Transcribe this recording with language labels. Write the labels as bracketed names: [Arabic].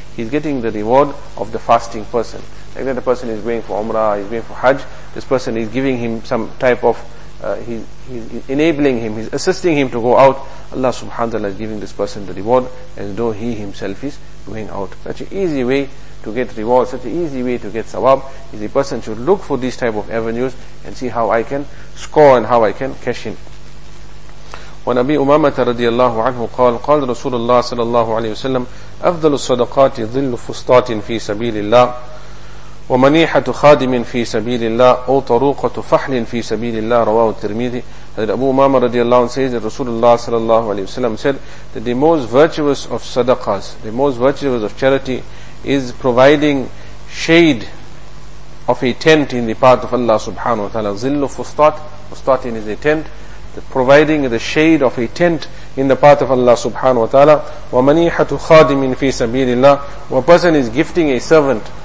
[English] He's getting the reward of the fasting person. Like that a person is going for Umrah, he's going for Hajj, this person is giving him some type of, he's enabling him, he's assisting him to go out. Allah subhanahu wa ta'ala is giving this person the reward as though he himself is going out. Such an easy way to get reward, such an easy way to get sawab, is a person should look for these type of avenues and see how I can score and how I can cash in. [Arabic] وعن أبي أمامة رضي الله عنه قال رسول الله صلى الله عليه وسلم أفضل الصدقات ظل فسطات في سبيل الله ومنيحة خادم في سبيل الله أو طروقة فحل في سبيل الله رواه الترمذي. هذا أبو أمامة رضي الله عنه [English] says that [Arabic] رسول الله صلى الله عليه وسلم [English] said that the most virtuous of sadaqas, the most virtuous of charity is providing shade of a tent in the path of Allah subhanahu wa ta'ala. [Arabic] ظل فسطات, فسطات [English] is a tent, providing the shade of a tent in the path of Allah subhanahu wa ta'ala. [Arabic] وَمَنِيحَةُ خَادِمٍ فِي سَبِيلِ اللَّهِ. [English] A person is gifting a servant